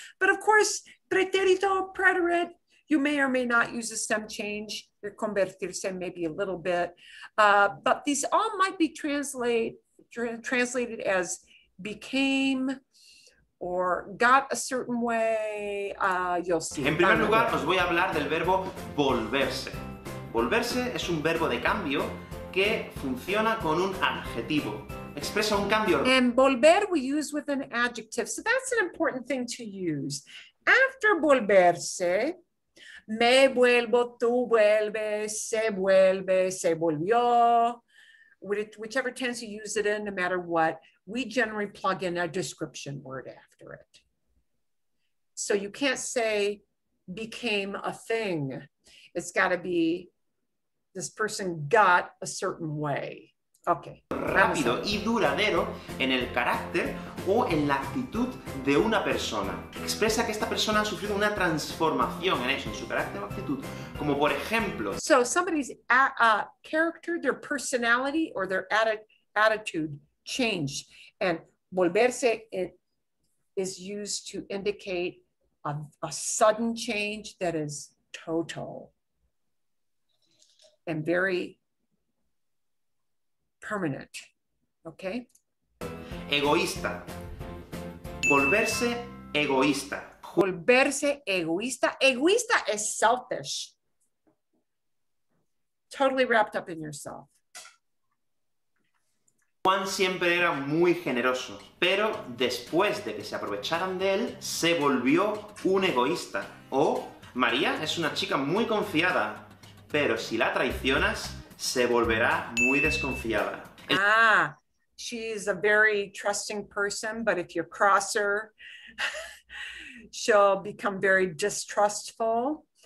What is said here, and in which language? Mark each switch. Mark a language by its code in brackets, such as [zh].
[en] But of course, pretérito, preterite, you may or may not use a stem change, your convertirse maybe a little bit, but these all might be translated as became or got a certain way, you'll see. [es] En primer lugar, os voy a hablar del verbo volverse. Volverse es un verbo de cambio que funciona con un adjetivo. Expresa un cambio. [en] And volver we use with an adjective, so that's an important thing to use. [es] After volverse, me vuelvo, tú vuelves, se volvió. [en] Whichever tense you use it in, no matter what, we generally plug in a description word after it. So you can't say became a thing. It's got to be this person got a certain way. Okay. [es] Rápido y duradero en el carácter o en la actitud de una persona. Expresa que esta persona ha sufrido una transformación en eso, en su carácter o actitud. Como por ejemplo... [en] So somebody's character, their personality or their attitude changed. And volverse is used to indicate a sudden change that is total and very permanent, okay? [es] Egoísta. Volverse egoísta. Volverse egoísta. Egoísta [en] is selfish. Totally wrapped up in yourself. [es] Juan siempre era muy generoso, pero después de que se aprovecharan de él, se volvió un egoísta. O María es una chica muy confiada, pero si la traicionas, se volverá muy desconfiada. [en] Ah, she's a very trusting person, but if you cross her, she'll become very distrustful.